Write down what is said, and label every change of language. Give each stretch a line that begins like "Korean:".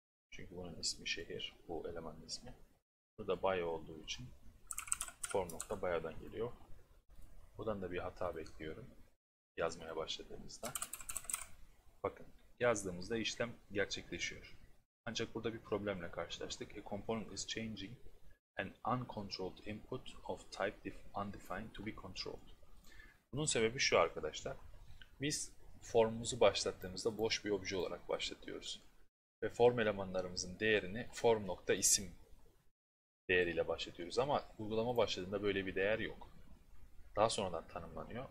Turkish: Çünkü bunun ismi şehir. Bu elemanın ismi. Burada bio olduğu için form nokta bio'dan geliyor. Buradan da bir hata bekliyorum. Yazmaya başladığımızda. Bakın. Yazdığımızda işlem gerçekleşiyor. Ancak burada bir problemle karşılaştık.
English: A component is changing an uncontrolled input of type undefined to be controlled.
Turkish: Bunun sebebi şu arkadaşlar. Biz formumuzu başlattığımızda boş bir obje olarak başlatıyoruz. Ve form elemanlarımızın değerini form.isim değeriyle başlatıyoruz. Ama uygulama başladığında böyle bir değer yok. Daha sonradan tanımlanıyor.